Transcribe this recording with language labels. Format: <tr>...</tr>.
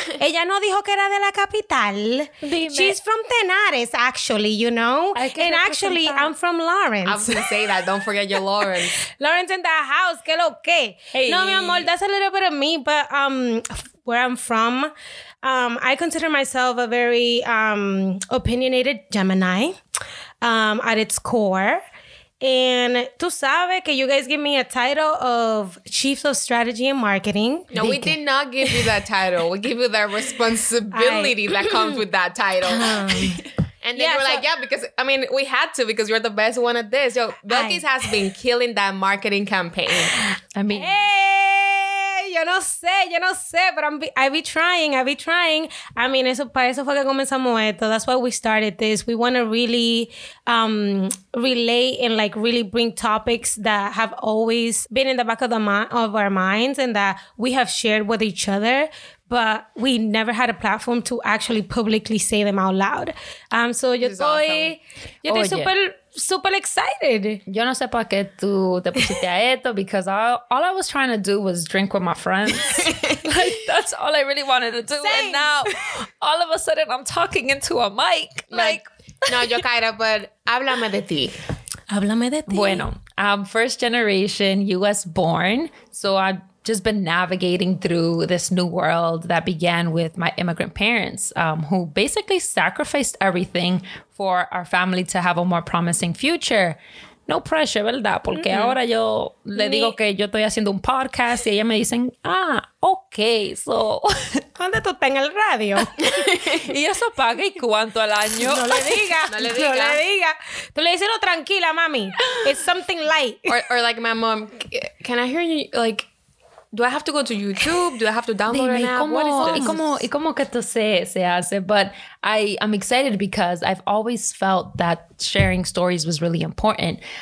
<es>Ella no dijo que era de la capital. Dime.</es> <en>She's from Tenares, actually, you know? And actually, I'm from Lawrence. I was going to say that. Don't forget your Lawrence. Lawrence in the house. ¿Qué lo qué? Hey. No, mi amor, that's a little bit of me, but... where I'm from, I consider myself a very opinionated Gemini at its core. And tú sabes que you guys give me a title of Chief of Strategy and Marketing. No, we did not give you that title. We give you that responsibility that comes with that title. And then you're like, because, I mean, we had to because you're the best one at this. Yo, Belkis has been killing that marketing campaign. I mean... Yo no sé, but I be trying.</en> <es>I mean, para eso fue que comenzamos esto.</es> <en>That's why we started this. We want to really relate and like really bring topics that have always been in the back of our minds and that we have shared with each other, but we never had a platform to actually publicly say them out loud.</en> <es>So yo estoy, awesome. Yo estoy super... Super excited.</es> <en>Yo no sé pa qué tú te pusiste a esto because all I was trying to do was drink with my friends. Like, that's all I really wanted to do. Same. And now, all of a sudden, I'm talking into a mic. Like</en> <es>no, yo caída, but háblame de ti.</es> <en>Bueno, I'm first generation U.S. born, so I've just been navigating through this new world that began with my immigrant parents, who basically sacrificed everything for our family to have a more promising future. No pressure, ¿verdad?</en> <es>Porque ahora yo le digo que yo estoy haciendo un podcast y ella me dicen, okay, so... ¿Dónde tú estás en el radio? ¿Y eso paga y cuánto al año? No le diga. Tú le dices, no, tranquila, mami. It's something light.</es> <en>Or like my mom, can I hear you, like... Do I have to go to YouTube? Do I have to download an app?</en> <es>Como, what is this? Y como que tú se hace.</es> <en>But I'm excited because I've always felt that sharing stories was really important.</en>